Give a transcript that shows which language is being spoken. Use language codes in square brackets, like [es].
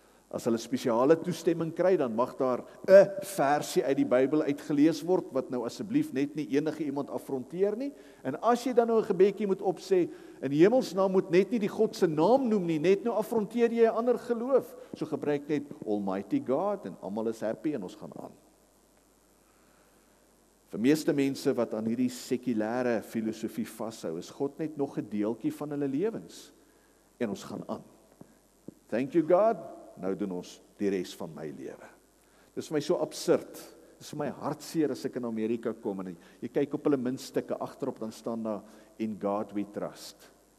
[af] As hulle spesiale toestemming kry, dan mag daar 'n versie uit die Bybel uitgelees word, wat nou asseblief net nie enige iemand affronteer nie. En as jy dan nou 'n gebedjie moet opsê, in hemelsnaam moet net nie die God se naam noem nie, net nou affronteer jy 'n ander geloof. So gebruik net Almighty God en almal is happy en ons gaan aan. Vir meeste mense wat aan hierdie sekulêre filosofie vashou, is God net nog 'n deeltjie van hulle lewens. En ons gaan aan. [en] Thank you God. [af] Nou doen ons die res van my lewe. Dis vir my so absurd. Dis vir my hartseer as ek in Amerika kom en jy kyk op hulle muntstukke agterop, dan staan daar [en] In God we trust.